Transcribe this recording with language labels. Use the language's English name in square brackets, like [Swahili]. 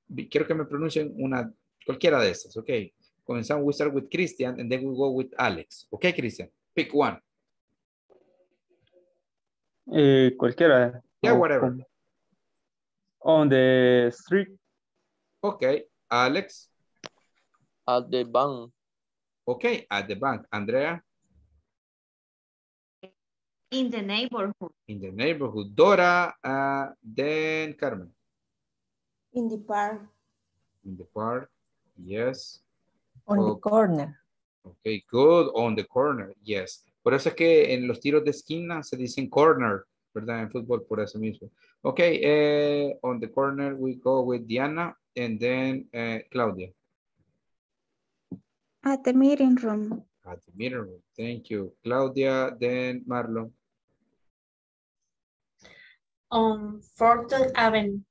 [Spanish] Quiero que me pronuncien una, cualquiera de esas, okay? Comenzamos, [English] we start with Christian, and then we go with Alex. Okay, Christian, pick one. [Spanish] Cualquiera. [English] Yeah, whatever. On the street. Okay, Alex. At the bank. Okay, at the bank. Andrea. In the neighborhood. In the neighborhood. Dora, then Carmen. In the park. In the park, yes. On the corner. Okay, good, on the corner, yes. [Spanish] Por eso es que en los tiros de esquina se dicen corner, ¿verdad? En fútbol, por eso mismo. [English] Okay, on the corner we go with Diana and then Claudia. At the meeting room. At the meeting room, thank you. Claudia, then Marlon. On 4th Avenue.